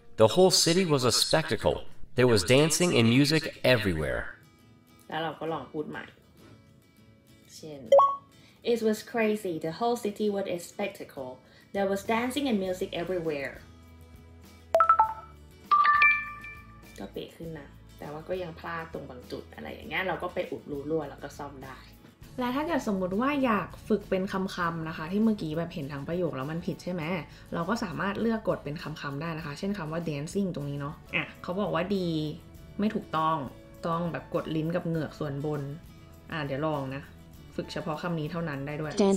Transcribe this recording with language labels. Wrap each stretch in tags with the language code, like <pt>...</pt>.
<en>The whole city was a spectacle. There was dancing and music everywhere.</en> <th>แล้วเราก็ลองพูดใหม่เช่น</th> <en>It was crazy. The whole city was a spectacle. There was dancing and music everywhere.</en> <th>ก็เป๊ะขึ้นนะแต่ว่าก็ยังพลาดตรงบางจุดอะไรอย่างเงี้ยเราก็ไปอุดรูรั่วแล้วก็ซ่อมได้และถ้าเกิดสมมุติว่าอยากฝึกเป็นคำๆนะคะที่เมื่อกี้แบบเห็นทางประโยคแล้วมันผิดใช่ไหมเราก็สามารถเลือกกดเป็นคำๆได้นะคะเช่นคำว่า dancing ตรงนี้เนาะอ่ะเขาบอกว่าดีไม่ถูกต้องต้องแบบกดลิ้นกับเหงือกส่วนบนเดี๋ยวลองนะฝึกเฉพาะคำนี้เท่านั้นได้ด้วย</th>